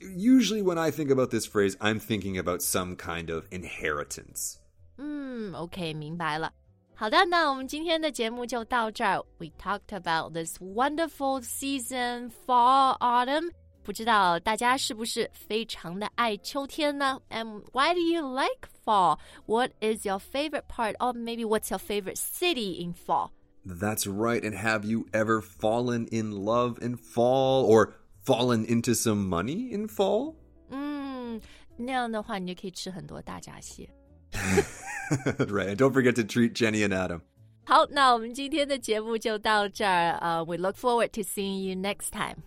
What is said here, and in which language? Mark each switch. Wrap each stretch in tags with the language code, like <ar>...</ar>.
<en>Usually when I think about this phrase, I'm thinking about some kind of inheritance.</en> <zh>Okay, 明白了。好的，那我们今天的节目就到这儿。</zh> <en>We talked about this wonderful season, fall, autumn.</en> <zh>不知道大家是不是非常的爱秋天呢?</zh> <en>And why do you like fall? What is your favorite part? Or maybe what's your favorite city in fall? That's right. And have you ever fallen in love in fall? Or fallen into some money in fall?</en> <zh>那样的话你就可以吃很多大闸蟹。</zh> <en>Right. And don't forget to treat Jenny and Adam.</en> <zh>好，那我们今天的节目就到这儿。</zh> <en>We look forward to seeing you next time.</en>